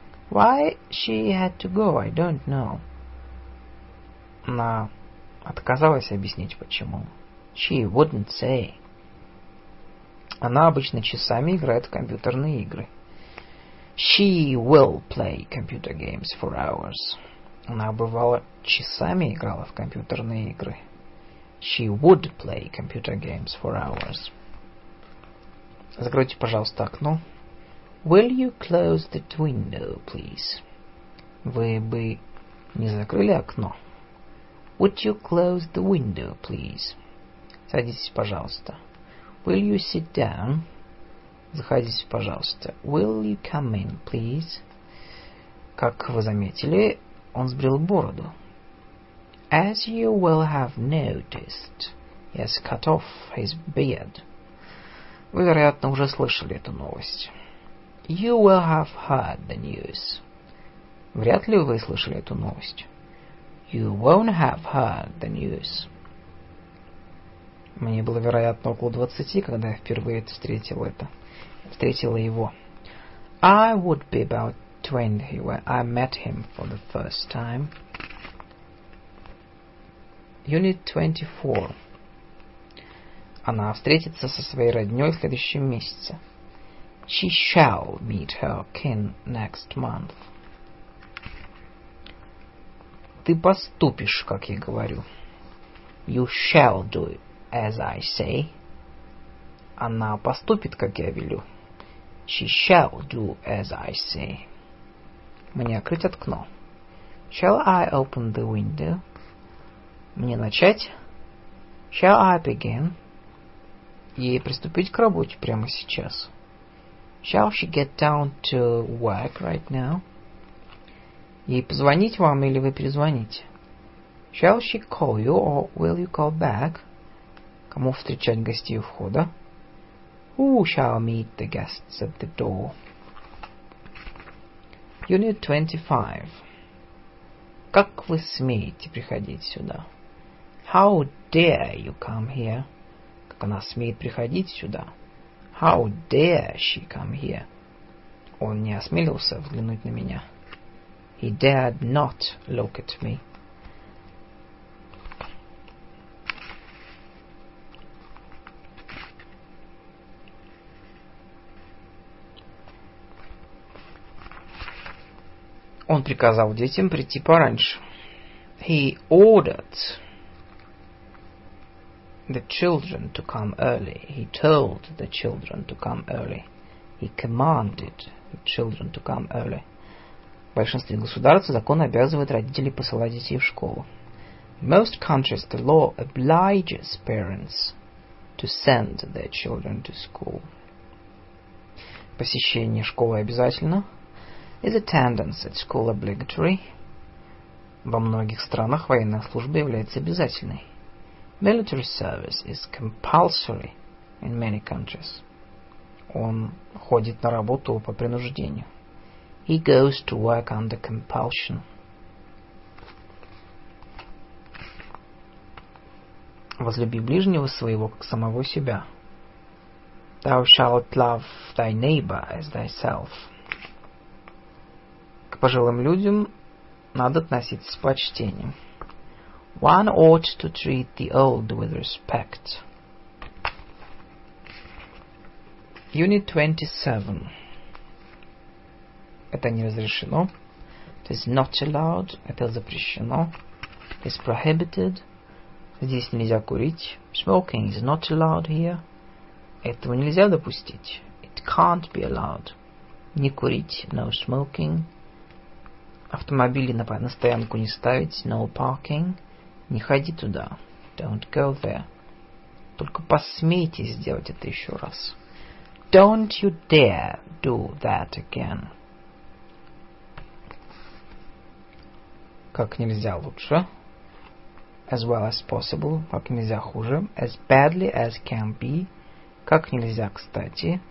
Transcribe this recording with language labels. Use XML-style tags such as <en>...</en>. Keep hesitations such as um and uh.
<en>Why she had to go, I don't know.</en> <ru>Она отказалась объяснить, почему.</ru> <en>She wouldn't say.</en> <ru>Она обычно часами играет в компьютерные игры.</ru> <en>She will play computer games for hours.</en> <ru>Она бывала часами играла в компьютерные игры.</ru> <en>She would play computer games for hours.</en> <ru>Закройте, пожалуйста, окно.</ru> <en>Will you close that window, please?</en> <ru>Вы бы не закрыли окно?</ru> <en>Would you close the window, please?</en> <ru>Садитесь, пожалуйста.</ru> <en>Will you sit down?</en> <ru>Заходите, пожалуйста.</ru> <en>Will you come in, please?</en> <ru>Как вы заметили, он сбрил бороду.</ru> <en>As you will have noticed, he has cut off his beard.</en> <ru>Вы, вероятно, уже слышали эту новость.</ru> <en>You will have heard the news.</en> <ru>Вряд ли вы слышали эту новость.</ru> <en>You won't have heard the news.</en> <ru>Мне было, вероятно, около двадцати, когда я впервые встретил это. Встретила его.</ru> <en>I would be about twenty when I met him for the first time. Unit 24.</en> <ru>Она встретится со своей роднёй в следующем месяце.</ru> <en>She shall meet her kin next month.</en> <ru>Ты поступишь, как я говорю.</ru> <en>You shall do it as I say.</en> <ru>Она поступит, как я велю.</ru> <en>She shall do as I say.</en> <ru>Мне открыть окно.</ru> <en>Shall I open the window?</en> <ru>Мне начать?</ru> <en>Shall I begin?</en> <ru>И приступить к работе прямо сейчас.</ru> <en>Shall she get down to work right now?</en> <ru>Ей позвонить вам или вы перезвоните?</ru> <en>Shall she call you or will you call back?</en> <ru>Кому встречать гостей у входа?</ru> <en>Who shall meet the guests at the door? Unit 25.</en> <ru>Как вы смеете приходить сюда?</ru> <en>How dare you come here?</en> <ru>Как она смеет приходить сюда?</ru> <en>How dare she come here?</en> <ru>Он не осмелился взглянуть на меня.</ru> <en>He dared not look at me.</en> <ru>Он приказал детям прийти пораньше.</ru> <en>He ordered the children to come early. He told the children to come early. He commanded the children to come early.</en> <ru>В большинстве государств закон обязывает родителей посылать детей в школу.</ru> <en>In most countries the law obliges parents to send their children to school.</en> <ru>Посещение школы обязательно.</ru> <en>Is attendance at school obligatory?</en> <ru>Во многих странах военная служба является обязательной.</ru> <en>Military service is compulsory in many countries.</en> <ru>Он ходит на работу по принуждению.</ru> <en>He goes to work under compulsion.</en> <ru>Возлюби ближнего своего, как самого себя.</ru> <en>Thou shalt love thy neighbor as thyself</en> <ru>пожилым людям надо относиться с почтением.</ru> <en>One ought to treat the old with respect. Unit 27.</en> <ru>Это не разрешено.</ru> <en>It is not allowed.</en> <ru>Это запрещено.</ru> <en>It is prohibited.</en> <ru>Здесь нельзя курить.</ru> <en>Smoking is not allowed here.</en> <ru>Этого нельзя допустить.</ru> <en>It can't be allowed.</en> <ru>Не курить.</ru> <en>No smoking.</en> <ru>Автомобили на, на стоянку не ставить.</ru> <en>No parking.</en> <ru>Не ходи туда.</ru> <en>Don't go there.</en> <ru>Только посмейтесь сделать это еще раз.</ru> <en>Don't you dare do that again.</en> <ru>Как нельзя лучше.</ru> <en>As well as possible.</en> <ru>Как нельзя хуже.</ru> <en>As badly as can be.</en> <ru>Как нельзя кстати.</ru>